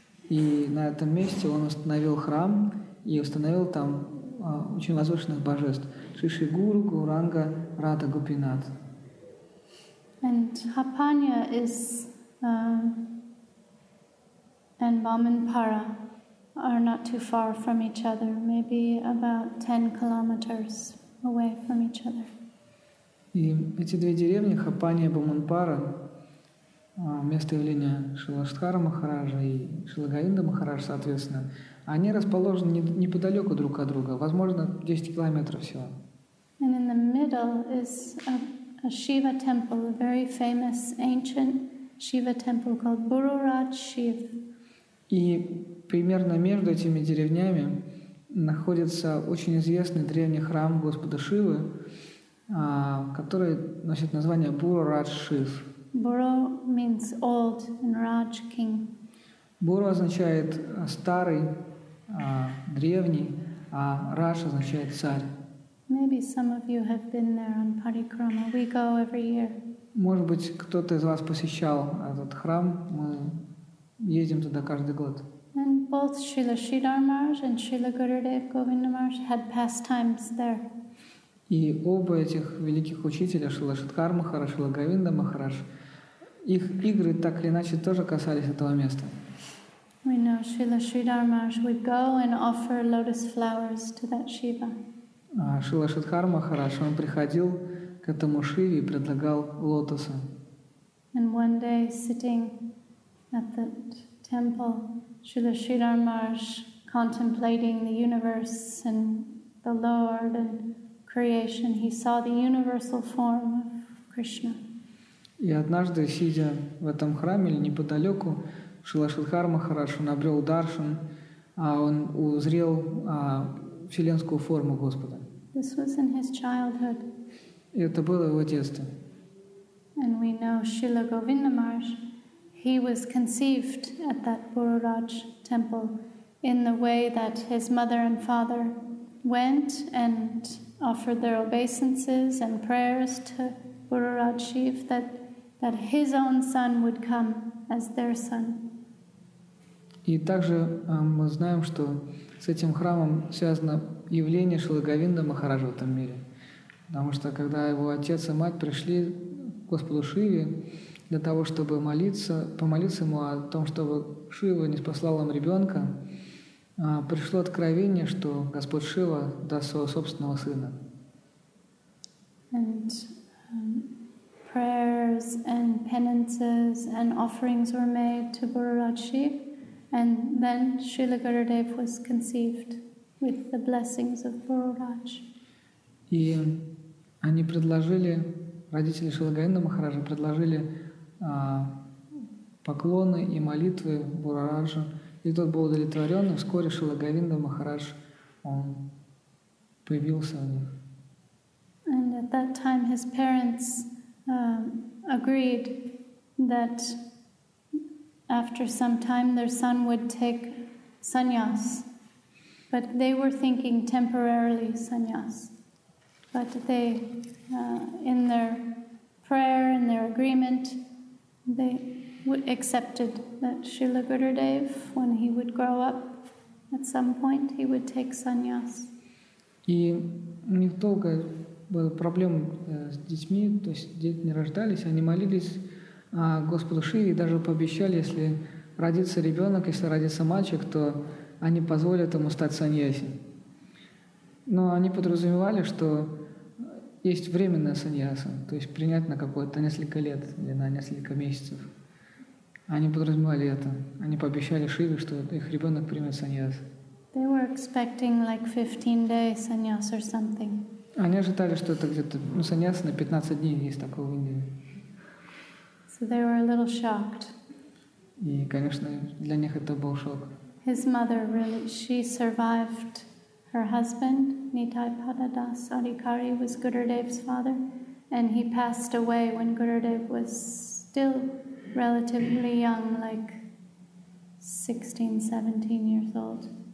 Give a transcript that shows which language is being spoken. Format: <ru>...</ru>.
<ru>И на этом месте он установил храм и установил там очень возвышенных божеств. Шиши Гуру, Гуранга, Рада Гупинат.</ru> <en>And Hapanya is and Bamanpara are not too far from each other, maybe about 10 kilometers away from each other.</en> <ru>И эти две деревни, Хапания и Бамунпара, место явления Шрила Шридхара Махараджа и Шрила Говинда Махараджа, соответственно, они расположены неподалеку друг от друга, возможно, 10 километров всего.</ru> <en>And in the middle is a Shiva temple, a very famous ancient Shiva temple called Bururaj Shiv.</en> <ru>И примерно между этими деревнями находится очень известный древний храм Господа Шивы, который носит название Bururaj Shiv.</ru> <en>Buru means old and Raj king.</en> <ru>Buru означает старый, древний, а Раш означает царь.</ru> <en>Maybe some of you have been there on Parikrama. We go every year.</en> <ru>Может быть, кто-то из вас посещал этот храм. Мы ездим туда каждый год.</ru> <en>And both Srila Sridhar Maharaj and Srila Gurudev Govinda Maharaj had pastimes there.</en> <ru>И оба этих великих учителя, Шрила Шридхар Махарадж, Шрила Говинда Махарадж, их игры так или иначе тоже касались этого места.</ru> <en>We know Srila Sridhar Maharaj would go and offer lotus flowers to that Shiva.</en> <ru>Шрила Шридхар Махарадж, он приходил к этому Шиве и предлагал лотосы.</ru> <en>And one day, sitting at the temple, Srila Sridhar Maharaj contemplating the universe and the Lord and creation, he saw the universal form of Krishna.</en> <ru>И однажды, сидя в этом храме или неподалеку, Шрила Шридхар Махарадж, он обрел даршан, а он узрел вселенскую форму Господа.</ru> <en>This was in his childhood.</en> <ru>И это было его детство.</ru> <en>And we know Srila Govinda Maharaj, he was conceived at that Bururaj temple in the way that his mother and father went and offered their obeisances and prayers to Bururaj Shiv, that his own son would come as their son.</en> <ru>И также мы знаем, что с этим храмом связано явление Шрилы Говинда Махараджа в этом мире. Потому что когда его отец и мать пришли к Господу Шиве для того, чтобы помолиться ему о том, чтобы Шива не спасал им ребенка, пришло откровение, что Господь Шива даст своего собственного сына.</ru> <en>And prayers and penances and offerings were made to Bururaj Shiv. And then Srila Gurudev was conceived with the blessings of Bururaj.</en> <ru>И они предложили, родители Шрилы Говинда Махараджа предложили поклоны и молитвы Бурараджу. И тот был удовлетворен, и вскоре Шрила Говинда Махарадж, он появился у них.</ru> <en>And at that time his parents agreed that after some time their son would take sannyas. But they were thinking temporarily sannyas. But they, in their prayer, in their agreement, they accepted that Srila Gurudev, when he would grow up, at some point he would take sannyas.</en> <ru>И у них долго было проблем с детьми, то есть дети не рождались, они молились Господу Шиве и даже пообещали, если родится ребенок, если родится мальчик, то они позволят ему стать саньяси. Но они подразумевали, что есть временная саньяса, то есть принять на какое-то несколько лет или на несколько месяцев. Они подразумевали это. Они пообещали Шиве, что их ребенок примет саньяс.</ru> <en>They were expecting like 15-day sannyas or something.</en> <ru>Они ожидали, что это где-то саньяс на 15 дней есть такого в Индии.</ru> <en>So they were a little shocked.</en> <ru>И, конечно, для них это был шок.</ru> <en>His mother really, she survived her husband, Nitai Padadas Adhikari was Gurudev's father, and he passed away when Gurudev was still relatively young, like 16, 17 years old.</en>